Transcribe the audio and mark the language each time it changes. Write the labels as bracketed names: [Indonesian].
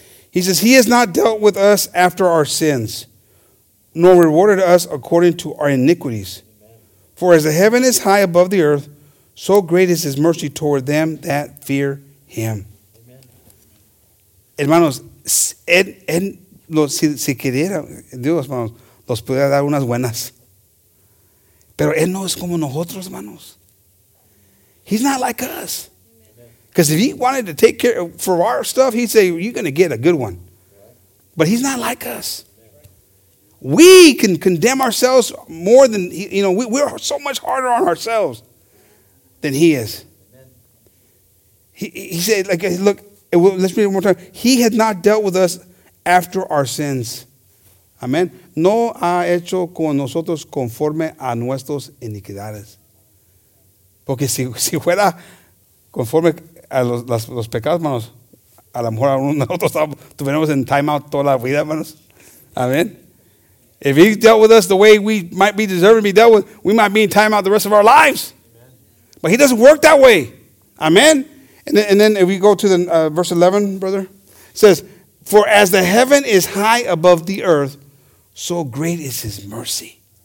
[English] He says, he has not dealt with us after our sins, nor rewarded us according to our iniquities. For as the heaven is high above the earth, so great is his mercy toward them that fear him. [Spanish] Hermanos, si quería Dios, hermanos, los pudiera dar unas buenas. Pero Él no es como nosotros, hermanos. [English] He's not like us. Because if He wanted to take care of our stuff, He'd say, you're going to get a good one. But He's not like us. We can condemn ourselves more than, we're so much harder on ourselves than He is. He said, like, look, let's read it one more time. He had not dealt with us after our sins. Amen. [Spanish] No ha hecho con nosotros conforme a nuestras iniquidades. Porque si fuera conforme a los pecados, hermanos, a lo mejor nosotros estuviéramos en timeout toda la vida, hermanos. Amen. [English] If he dealt with us the way we might be deserving to be dealt with, we might be in timeout the rest of our lives. But he doesn't work that way. Amen. And then if we go to the verse 11, brother, it says, for as the heaven is high above the earth, so great is his mercy.